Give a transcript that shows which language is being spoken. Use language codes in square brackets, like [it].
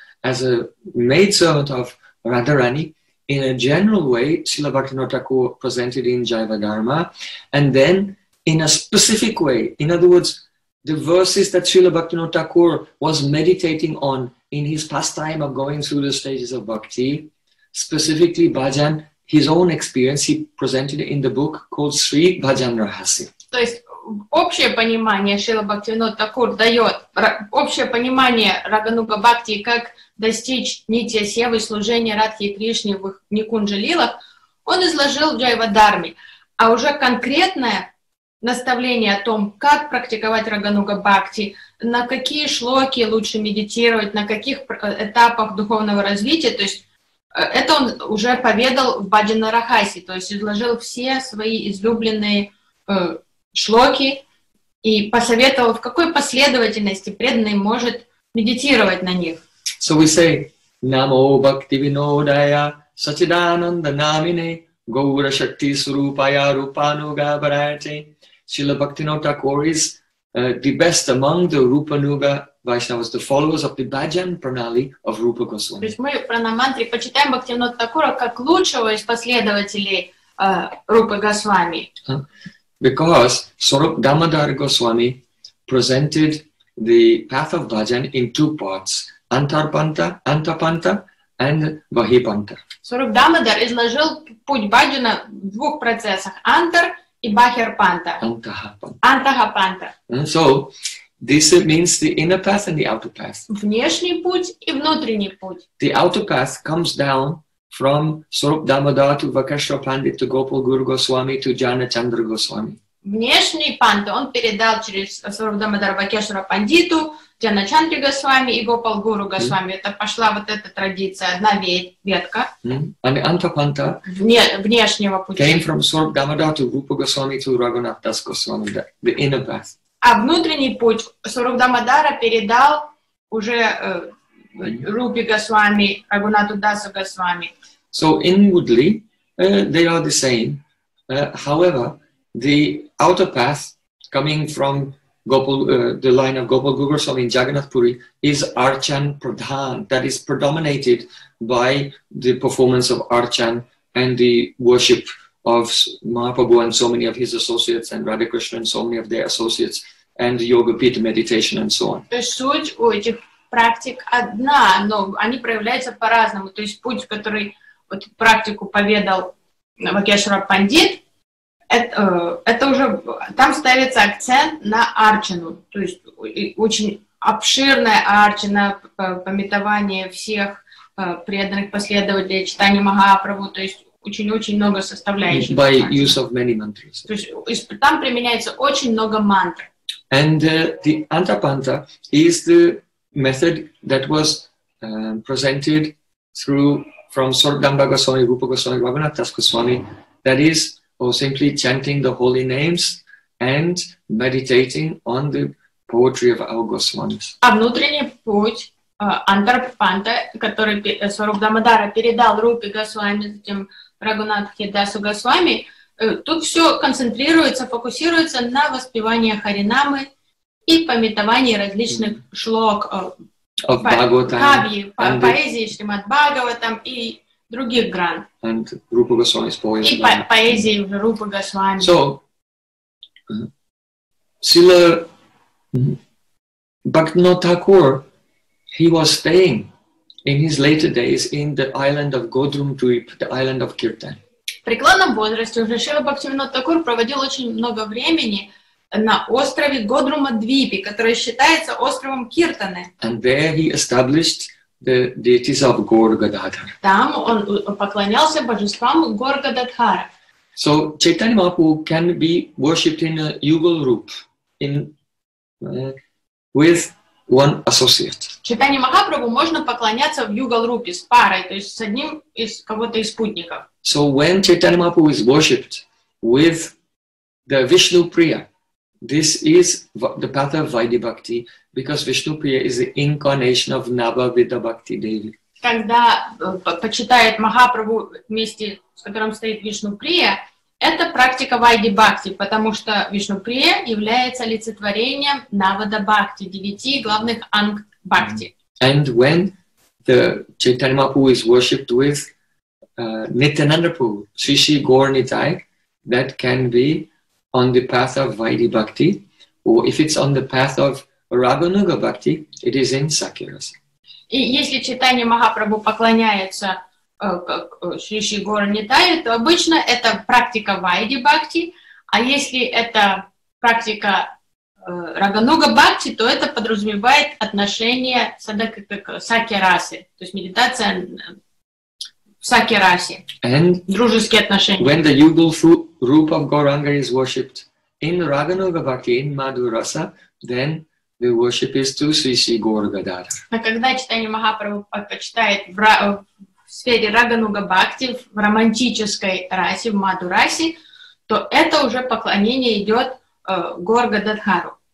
[en] as a maidservant of Radharani, in a general way, Srila Bhaktivinoda Thakur presented in Jaiva Dharma, and then in a specific way, in other words, the verses that Srila Bhaktivinoda Thakur was meditating on in his pastime of going through the stages of bhakti, specifically bhajan, his own experience, he presented in the book called Sri Bhajan Rahasi. [ru] То есть общее понимание Шрила Бхактивинода Такур дает общее понимание Рагануга Бхакти, как достичь нити севы служения Радхи Кришне в их Никунджалилах, он изложил в Джайва Дарме. А уже конкретное наставление о том, как практиковать Рагануга Бхакти, на какие шлоки лучше медитировать, на каких этапах духовного развития, то есть это он уже поведал в Баджана Рахасе, то есть изложил все свои излюбленные шлоки и посоветовал, в какой последовательности преданный может медитировать на них. [en] So we say, [sa] Namo Bhaktivinodaya Satchidananda Namine Gaura Shakti Surupaya Rupanuga Bharate. [en] Srila Bhaktivinoda Thakur is the best among the Rupanuga Vaishnavas, the followers of the Bhajan Pranali of Rupa Goswami. [ru] То есть мы пранамантри почитаем Бхактивинода Такура как лучшего из последователей Рупы Госвами. [en] Because Swarup Damodar Goswami presented the path of bhajan in two parts, antarpanta and bahipanta. [ru] Swarup Damodar изложил путь бхаджана в двух процессах, антар и бахирпанта. Антахапанта. [en] So, this means the inner path and the outer path. [ru] Внешний путь и внутренний путь. [en] The outer path comes down from Swarup Damodar to Vakeshwar Pandit to Gopal Guru Goswami to Jana Chandra Goswami. [ru] Внешний панта он передал через Swarup Damodar Vakeshwara Panditu, Jana Chandra Goswami и Gopal Guru Goswami. Это пошла вот эта традиция, одна ветка. [en] And Antapanta [ru] внешнего пути [en] came from Swarup Damodar to Rupa Goswami to Raghunath Das Goswami, the inner path. [ru] А внутренний путь Swarup Damodara передал уже Рупи Госвами, Рагунату Дасу Госвами. [en] So inwardly they are the same. However, the outer path coming from Gopal, the line of Gopal Guru Goswami in Jagannath Puri is Archan Pradhan, that is predominated by the performance of Archan and the worship of Mahaprabhu and so many of his associates and Radha Krishna and so many of their associates and Yoga Pita meditation and so on. [ru] Практик одна, но они проявляются по-разному. То есть путь, который вот практику поведал Вакешвара Пандит, Это уже там ставится акцент на арчану, то есть очень обширная арчана, памятование всех преданных последователей Чайтаньи Махапрабху, то есть очень-очень много составляющих. [en] By use of many mantras. [ru] То есть там применяется очень много мантр. [en] And the Antapanta is the method that was presented through from Sordamba Goswami, Rupa Goswami, Raghunath Das Goswami, that is, or simply chanting the holy names and meditating on the poetry of our Goswamis. [ru] А внутренний путь Антарпанта, который Сарубдамадара передал Рупе Госвами, затем Рагунатхе Дасу Госвами, тут все концентрируется, фокусируется на воспевании Харинамы и памятовании различных шлок поэзии Шримад Бхагаватам и других гран. [en] And Rupa Goswami's poem. [ru] И поэзии Рупы Госвами. [en] So, Srila Bhaktivinoda Thakur, he was staying in his later days in the island of Godrumdweep, the island of Kirtan. [ru] В преклонном возрасте уже Шрила Бхактивинода Такур проводил очень много времени на острове Годрумадвипи, который считается островом Киртаны. [en] And there he established the deities of Гор-Гададхар. [ru] Там он поклонялся божествам Гор-Гададхара. [en] So Chaitanya Mahaprabhu can be worshipped in a yugal roop in with one associate. [ru] Chaitanya Mahaprabhu можно поклоняться в yugal roop с парой, то есть с одним из кого-то из спутников. [en] So when Chaitanya Mahaprabhu is worshipped with the Vishnu Priya, this is the path of Vaidhi Bhakti, because Vishnu Priya is the incarnation of Navavidha Bhakti Devi. [ru] Когда почитает Махапрабху вместе, с которым стоит Вишну Прия, это практика Вайди Бхакти, потому что Вишну Прия является олицетворением Навада Бхакти, девяти главных анг Бхакти. [en] And when the Chaitanya Mahaprabhu is worshipped with Nityananda Prabhu, Shishi Gaur Nithai, that can be on the path of Vaidhi Bhakti, or if it's on the path of Raghunuga Bhakti, it is in Sakirasa. [ru] И если Чайтанья Махапрабху поклоняется как Шриши Гора Нитая, то обычно это практика Вайди Бхакти, а если это практика Рагануга Бхакти, то это подразумевает отношение Сакирасы, то есть медитация в Сакирасе, дружеские отношения. [en] When the yugal roop of Gauranga is worshipped in Raghunuga Bhakti, in Madhurasa, then the worship is to Srishi Gaur Gadadhara. [ru] Когда Чайтанья Махапрабху почитает в сфере Рагануга Бхакти, в романтической расе, в Мадурасе, то это уже поклонение идет Гаур Гададхару.